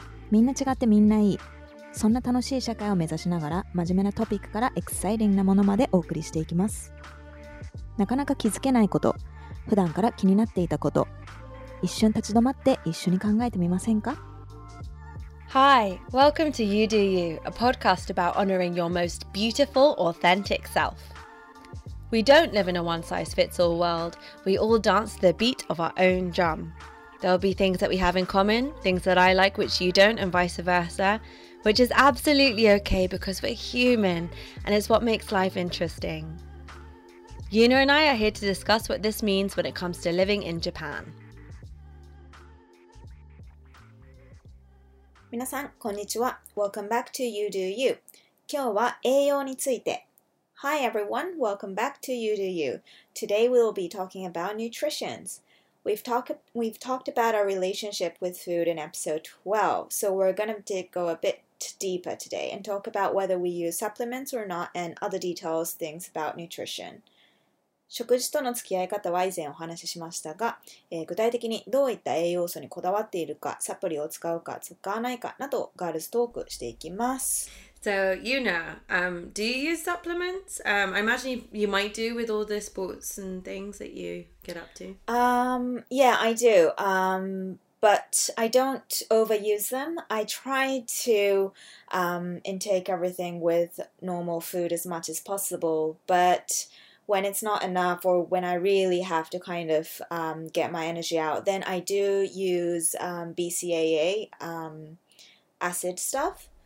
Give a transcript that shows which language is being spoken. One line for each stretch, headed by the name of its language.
Japanese: みんな違ってみんないい、そんな楽しい社会を目指しながら、真面目なトピックからエクサイティングなものまでお送りしていきます。なかなか気づけないこと、普段から気になっていたこと、一瞬立ち止まって一緒に考えてみませんか？
English: Hi, welcome to You Do You, a podcast about honoring your most beautiful, authentic self. We don't live in a one-size-fits-all world, we all dance to the beat of our own drum. There'll be things that we have in common, things that I like which you don't and vice versa, which is absolutely okay because we're human and it's what makes life interesting. Yuna and I are here to discuss what this means when it comes to living in Japan.
Japanese: 皆さん、こんにちは。
English: Welcome back to You Do You.
Japanese: 今日は栄養について。
English: Hi everyone, welcome back to You Do You. Today we'll be talking about nutrition. We've talked about our relationship with food in episode 12, so we're going to go a bit deeper today and talk about whether we use supplements or not and other details, things about nutrition.
Japanese: 食事との付き合い方は以前お話ししましたが、具体的にどういった栄養素にこだわっているか、サプリを使うか使わないかなどガールズトークしていきます。
English: So, Yuna, do you use supplements? I imagine you might do with all the sports and things that you get up to. Yeah, I do. But I don't overuse them. I try to intake everything with normal food as much as possible, butWhen it's not enough or when I really have to kind of get my energy out, then I do use BCAA acid stuff.